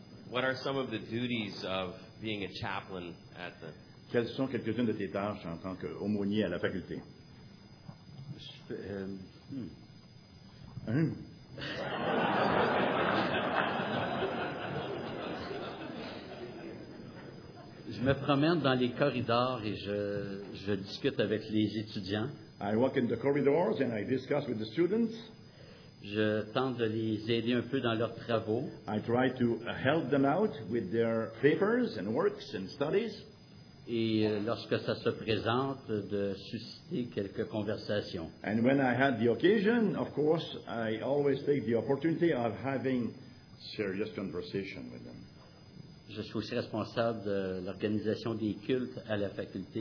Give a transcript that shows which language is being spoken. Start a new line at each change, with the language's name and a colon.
English: What are some of the duties of being a chaplain at the...
French: Quelles sont quelques-unes de tes tâches en tant qu'aumônier à la faculté? Je me promène dans les corridors et je discute avec les étudiants.
English: I walk in the corridors and I discuss with the students.
French: Je tente de les aider un peu dans leurs travaux.
English: I try to help them out with their papers and works and studies.
French: Et lorsque ça se présente, de susciter quelques conversations.
English: And when I had the occasion, of course, I always take the opportunity of having serious conversation with them.
French: Je suis aussi responsable de l'organisation des cultes à la faculté.